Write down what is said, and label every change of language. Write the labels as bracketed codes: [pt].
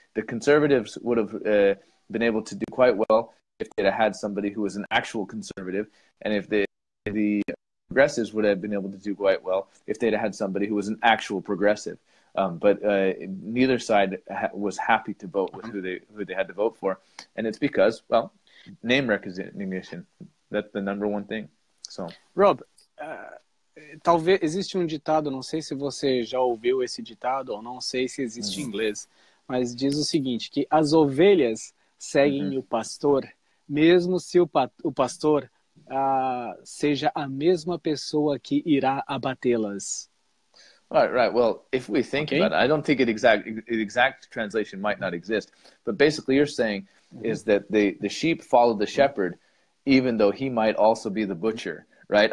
[en] The conservatives would have been able to do quite well if they'd have had somebody who was an actual conservative, and if the progressives would have been able to do quite well if they'd have had somebody who was an actual progressive. Neither side was happy to vote with who they had to vote for, and it's because, well, name recognition, that's the number one thing. So, [pt] Rob, talvez existe um ditado, não sei se você já ouviu esse ditado ou não sei se existe em inglês, mas diz o seguinte, que as ovelhas seguem o pastor mesmo se o pastor seja a mesma pessoa que irá abatê-las. [en] Right. Well, if we think okay. about it, I don't think the exact translation might not exist. But basically, you're saying mm-hmm. is that the sheep follow the shepherd, even though he might also be the butcher, right?